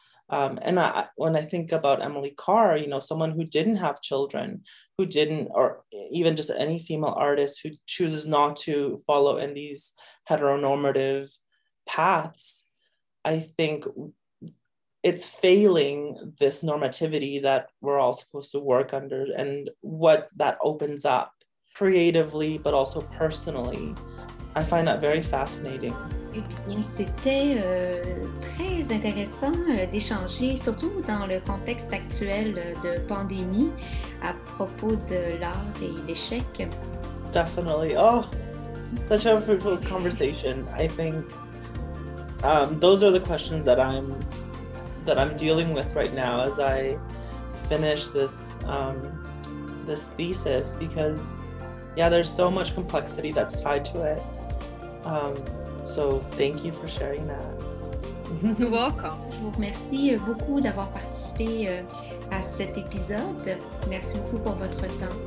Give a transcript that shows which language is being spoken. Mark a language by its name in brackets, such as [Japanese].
[English] And when I think about Emily Carr, you know, someone who didn't have children, who didn't, or even just any female artist who chooses not to follow in these heteronormative paths, I think it's failing this normativity that we're all supposed to work under and what that opens up creatively, but also personally. I find that very fascinating. [French] Eh bien, c'était très intéressant d'échanger, surtout dans le contexte actuel de pandémie, à propos de l'art et l'échec. [English] Definitely. Oh, such a fruitful conversation. I think those are the questions that I'm dealing with right now as I finish this this thesis, because yeah, there's so much complexity that's tied to it. So thank you for sharing that. You're welcome. [French] Je vous remercie beaucoup d'avoir participé à cet épisode. Merci beaucoup pour votre temps.